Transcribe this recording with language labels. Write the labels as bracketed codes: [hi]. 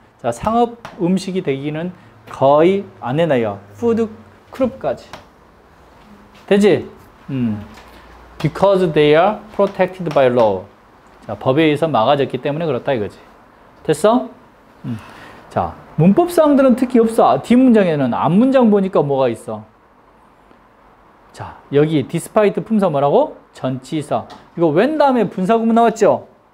[ko] 자, 상업 음식이 되기는 거의 안 되나요? [en] food crop까지. [ko] 되지? [en] Because they are protected by law. [ko] 자, 법에 의해서 막아졌기 때문에 그렇다 이거지. 됐어? 자, 문법사항들은 특히 없어. 뒷문장에는 앞문장 보니까 뭐가 있어? 자, 여기 despite 품사 뭐라고? 전치사. 이거 when 다음에 분사구문 나왔죠?